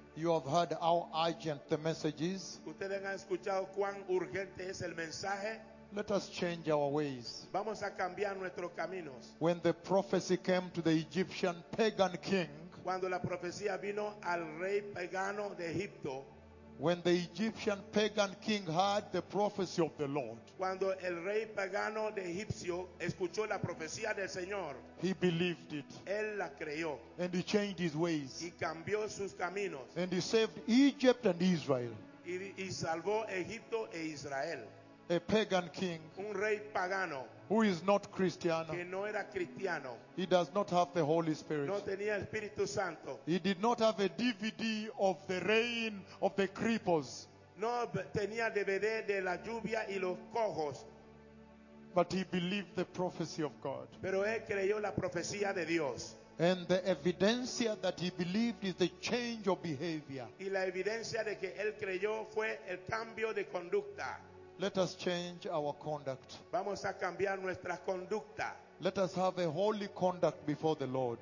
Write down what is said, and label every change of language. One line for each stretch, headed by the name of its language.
English: You have heard how urgent the message is.
Spanish: ¿Ustedes han escuchado cuán urgente es el mensaje?
English: Let us change our ways.
Spanish: Vamos a cambiar nuestros caminos.
English: When the prophecy came to the Egyptian pagan king,
Spanish: cuando la profecía vino al rey pagano de Egipto,
English: when the Egyptian pagan king heard the prophecy of the Lord,
Spanish: cuando el rey pagano de Egipcio escuchó la profecía del Señor,
English: he believed it.
Spanish: Él la creyó.
English: And he changed his ways.
Spanish: Y cambió sus caminos.
English: And he saved Egypt and Israel.
Spanish: Y salvó Egipto e Israel.
English: A pagan king,
Spanish: un rey pagano,
English: who is not Christian,
Spanish: que no era cristiano,
English: he does not have the Holy Spirit.
Spanish: No tenía el Espíritu Santo.
English: He did not have a DVD of the rain of the cripples.
Spanish: No tenía DVD de la lluvia y los cojos.
English: But he believed the prophecy of God.
Spanish: Pero él creyó la profecía de Dios.
English: And the evidencia that he believed is the change of behavior.
Spanish: Y la evidencia de que él creyó fue el cambio de conducta.
English: Let us change our conduct.
Spanish: Vamos a cambiar nuestra conducta.
English: Let us have a holy conduct before the Lord.